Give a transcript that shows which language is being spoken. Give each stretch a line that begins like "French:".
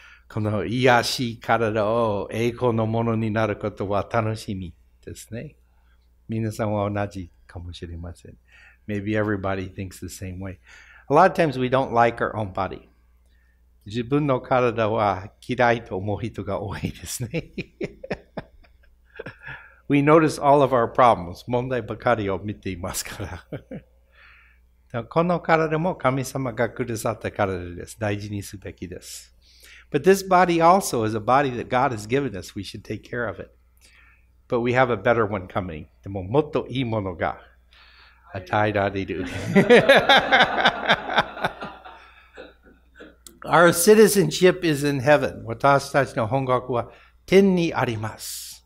Japanese: この卑しい体を栄光のものになることは楽しみですね。皆さんは同じかもしれません。
English: Maybe everybody thinks the same way. A lot of times we don't like our own body.
Japanese: 自分の体は嫌いと思う人が多いですね。
English: We notice all of our problems.
Japanese: 問題ばかりを見ていますから。この体も神様がくださった体です。大事にすべきです。
English: But this body also is a body that God has given us. We should take care of it. But we have a better one coming.
Japanese: でも、もっといいものが与えられる。
English: Our citizenship is in heaven.
Japanese: 私たちの本国は天にあります。